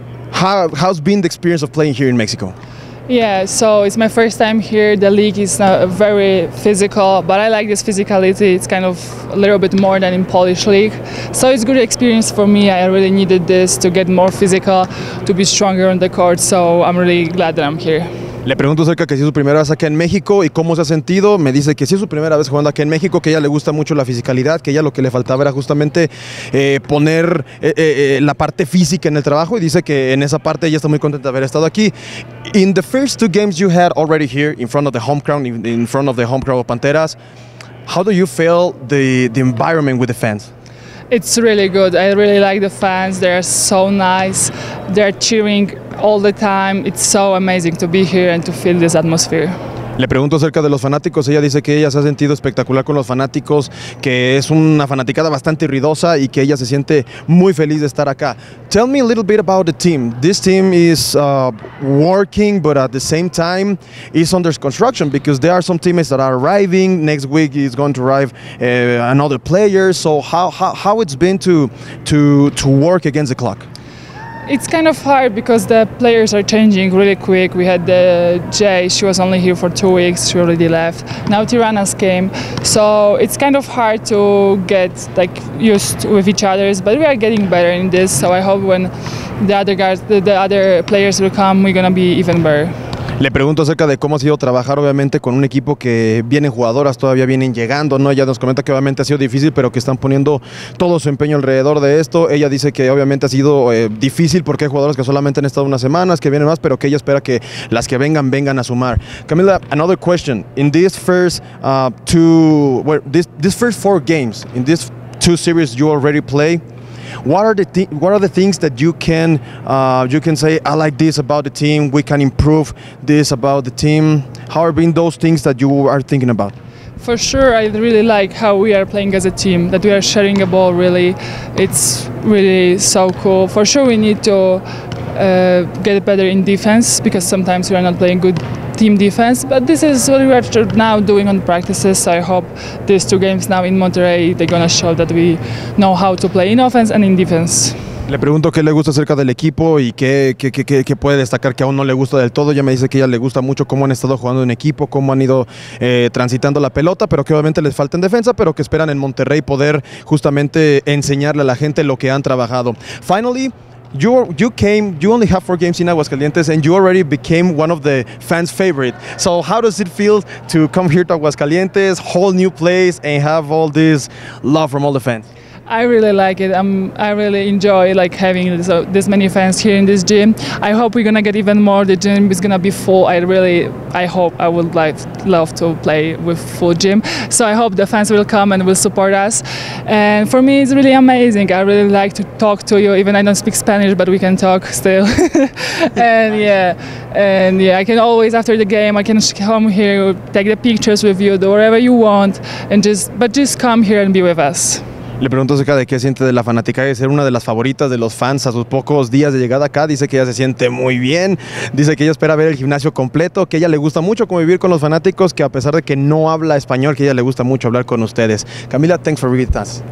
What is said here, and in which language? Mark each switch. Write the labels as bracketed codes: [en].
[en] How's been the experience of playing here in Mexico? Yeah, so it's my first time here. The league is very physical, but I like this physicality. It's kind of a little bit more than in Polish league. So it's a good experience for me. I really needed this to get more physical, to be stronger on the court. So I'm really glad that I'm here. [es] Le pregunto acerca que si es su primera vez acá en México y cómo se ha sentido. Me dice que si es su primera vez jugando acá en México, que a ella le gusta mucho la fisicalidad, que a ella lo que le faltaba era justamente poner la parte física en el trabajo, y dice que en esa parte ella está muy contenta de haber estado aquí. [en] In the first two games you had already here in front of the home crowd, in front of the home crowd of Panteras, how do you feel the environment with the fans? It's really good. I really like the fans. They're so nice. They're cheering all the time. It's so amazing to be here and to feel this atmosphere. [es] Le pregunto acerca de los fanáticos. Ella dice que ella se ha sentido espectacular con los fanáticos, que es una fanaticada bastante ruidosa y que ella se siente muy feliz de estar acá. [en] Tell me a little bit about the team. This team is working, but at the same time, it's under construction because there are some teammates that are arriving. Next week is going to arrive another player. So how it's been to work against the clock? It's kind of hard because the players are changing really quick. We had Jay, she was only here for 2 weeks, she already left. Now Tirana's came. So it's kind of hard to get like used with each other, but we are getting better in this. So I hope when the other players will come, we're gonna be even better. [es] Le pregunto acerca de cómo ha sido trabajar, obviamente, con un equipo que vienen jugadoras, todavía vienen llegando, ¿no? Ella nos comenta que obviamente ha sido difícil, pero que están poniendo todo su empeño alrededor de esto. Ella dice que obviamente ha sido difícil porque hay jugadoras que solamente han estado unas semanas, que vienen más, pero que ella espera que las que vengan, vengan a sumar. [en] Camila, another question. In this first two series you already play, What are the things that you can say, I like this about the team, we can improve this about the team? How have been those things that you are thinking about? For sure, I really like how we are playing as a team, that we are sharing a ball really. It's really so cool. For sure, we need to get better in defense because sometimes we are not playing good team defense, but this is what we are now doing on practices. So I hope these two games now in Monterrey, they're gonna show that we know how to play in offense and in defense. [es] Le pregunto qué le gusta acerca del equipo y qué puede destacar que aún no le gusta del todo. Ya me dice que ella le gusta mucho cómo han estado jugando en equipo, cómo han ido transitando la pelota, pero que obviamente les falta en defensa, pero que esperan en Monterrey poder justamente enseñarle a la gente lo que han trabajado. [en] Finally, You only have 4 games in Aguascalientes and you already became one of the fans' favorite. So how does it feel to come here to Aguascalientes, whole new place, and have all this love from all the fans? I really like it. I really enjoy like having this many fans here in this gym. I hope we're gonna get even more. The gym is gonna be full. I would love to play with full gym. So I hope the fans will come and will support us. And for me, it's really amazing. I really like to talk to you. Even I don't speak Spanish, but we can talk still. And I can always after the game, I can come here, take the pictures with you, do whatever you want, and just come here and be with us. [es] Le pregunto acerca de qué siente de la fanática de ser una de las favoritas de los fans a sus pocos días de llegada acá. Dice que ella se siente muy bien, dice que ella espera ver el gimnasio completo, que a ella le gusta mucho convivir con los fanáticos, que a pesar de que no habla español, que a ella le gusta mucho hablar con ustedes. [en] Camila, thanks for visiting us.